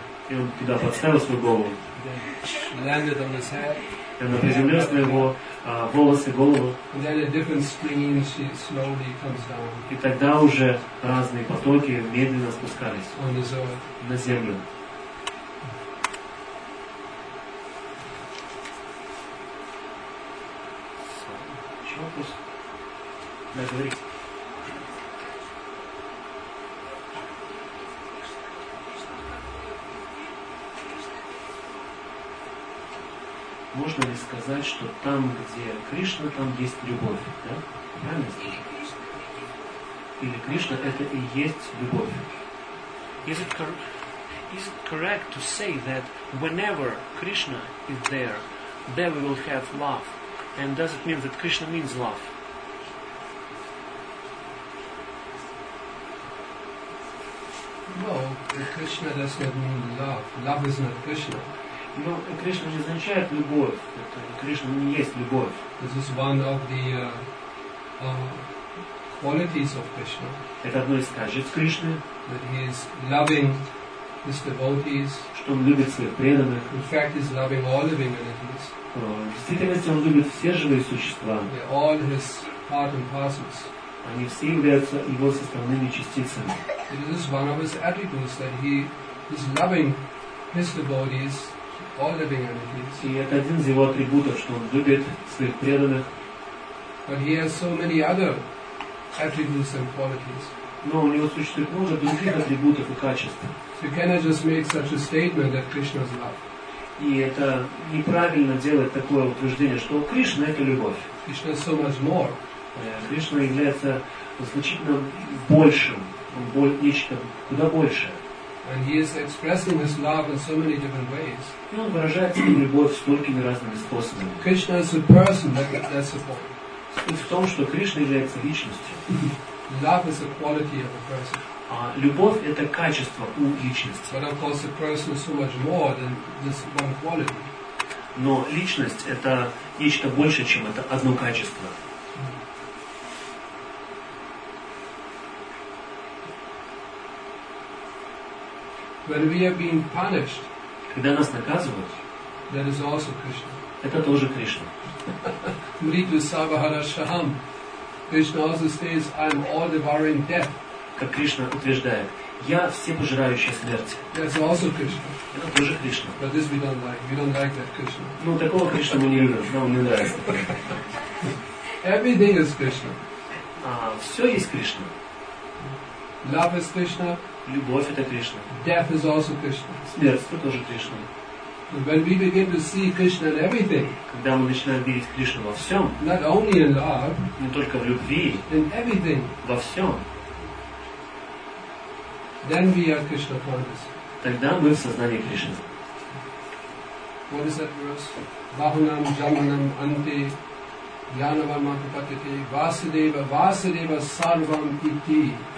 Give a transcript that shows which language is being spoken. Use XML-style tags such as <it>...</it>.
<ru>И он туда подставил свою голову. Landed on his head. Она приземлилась на его волосы, голову. And then a different stream, she slowly comes down. И тогда уже разные потоки медленно спускались on his own. На землю. Еще вопрос? Да, говорите. Можно ли сказать, что там, где Кришна, там есть любовь, да? Правильно скажу? Или Кришна – это и есть любовь?</ru> <en>Is it correct to say that whenever Krishna is there, there we will have love? And does it mean that Krishna means love? No, Krishna does not mean love. Love is not Krishna.</en> <ru>Но Кришна же означает любовь. Это Кришна не есть любовь.</ru> <en>This is one of the qualities of Krishna.</en> <ru>Это одно из качеств Кришны.</ru> <en>That he is loving his devotees.</en> <ru>Что он любит своих преданных.</ru> <en>In fact, he's loving all living entities.</en> <ru>В действительности он любит все живые существа.</ru> <en>They're all his part and parcels.</en> <ru>Они все являются его составными частицами.</ru> <en>This is one of his attributes that he is loving his devotees. All living entities.</en> <ru>И это один из его атрибутов, что он любит своих преданных.</ru> <en>But he has so many other attributes and qualities.</en> <ru>Но у него существует много других атрибутов и качеств.</ru> <en>So you cannot just make such a statement that Krishna is love.</en> <ru>И это неправильно делать такое утверждение, что Кришна это любовь. Кришна</ru> <en>so much more.</en> <ru>Кришна является значительно большим, нечто куда большее.</ru> <en>And he is expressing his love in so many different ways.</en> <ru>И он выражает свою любовь столькими разными способами.</ru> <en>Krishna is a person, that's a point.</en> <ru>Суть в том, что Кришна является личностью.</ru> <en>Love is a quality of a person.</en> <ru>А любовь это качество у личности.</ru> <en>But of course, a person is so much more than this one quality.</en> <ru>Но личность это нечто больше, чем это одно качество.</ru> <en>When we are being punished,</en> <ru>когда нас наказывают,</ru> <en>that is also Krishna.</en> <ru>Это тоже Кришна.</ru> <sa>Мриту Савахарашахам.</sa> <en>Krishna also says, I am all devouring death.</en> <ru>Как Кришна утверждает, я всепожирающая смерть.</ru> <en>That's also Krishna.</en> <ru>Это тоже Кришна.</ru> <en>But this we don't like. We don't like that Krishna.</en> <ru>Ну, такого Кришна мы не любим, нам не нравится.</ru> <en>Everything is Krishna.</en> <ru>Все есть Кришна.</ru> <en>Love is Krishna.</en> <ru>Любовь это Кришна.</ru> <en>Death is also Krishna.</en> <ru>Смерть это тоже Кришна.</ru> <en>When we begin to see Krishna in everything,</en> <ru>когда мы начинаем видеть Кришну во всем,</ru> <en>not only in love,</en> <ru>не только в любви,</ru> <en>in everything,</en> <ru>во всем,</ru> <en>then we are Krishna conscious.</en> <ru>Тогда мы в сознании Кришны.</ru> <en>What is that verse?</en> <sa>Bahunam jamanam ante yanavamantipatite vasudeva vasudeva sarvam iti.</sa>